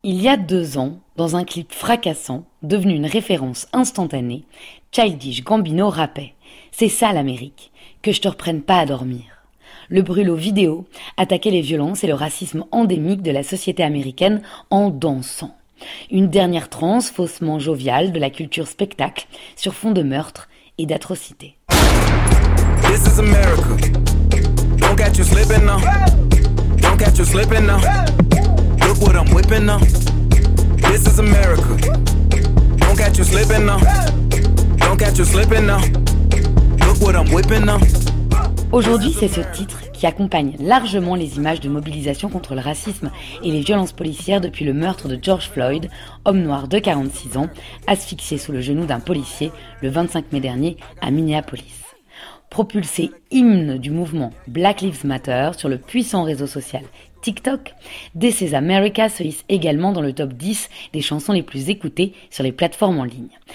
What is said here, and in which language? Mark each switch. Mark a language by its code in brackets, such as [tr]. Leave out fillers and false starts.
[fr] Il y a 2 ans, dans un clip fracassant, devenu une référence instantanée, Childish Gambino rappait « C'est ça l'Amérique, que je te reprenne pas à dormir ». Le brûlot vidéo attaquait les violences et le racisme endémique de la société américaine en dansant. Une dernière transe faussement joviale de la culture spectacle sur fond de meurtre et d'atrocité. [en] This is America. Don't catch you slipping now. Don't catch you slipping now. Look what I'm whipping up. This is America. Don't catch you slipping now. Don't catch you slipping now. Look what I'm whipping up. [fr] Aujourd'hui, c'est ce titre qui accompagne largement les images de mobilisation contre le racisme et les violences policières depuis le meurtre de George Floyd, homme noir de 46 ans, asphyxié sous le genou d'un policier le 25 mai dernier à Minneapolis. Propulsé hymne du mouvement Black Lives Matter sur le puissant réseau social TikTok, This is America se hisse également dans le top 10 des chansons les plus écoutées sur les plateformes en ligne.